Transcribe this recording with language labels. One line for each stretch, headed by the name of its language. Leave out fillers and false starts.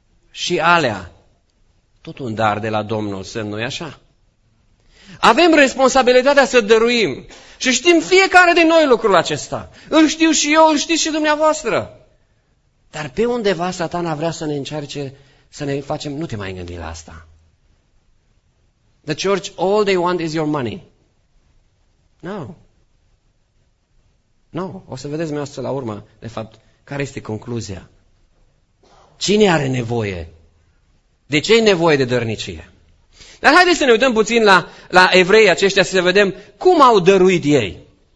Romanian: Și alea, tot un dar de la Domnul, semn, nu-i așa? Avem responsabilitatea să dăruim și știm fiecare din noi lucrul acesta. Îl știu și eu, îl știți și dumneavoastră. Dar pe undeva Satana vrea să ne încerce să ne facem, nu te mai gândi la asta.
English: The church, all they want is your money. No.
Romanian: O să vedeți mea la urmă, de fapt, care este concluzia. Cine are nevoie? De ce e nevoie de dărnicie? Dar haideți să ne uităm puțin la evreii aceștia, să vedem cum au dăruit ei.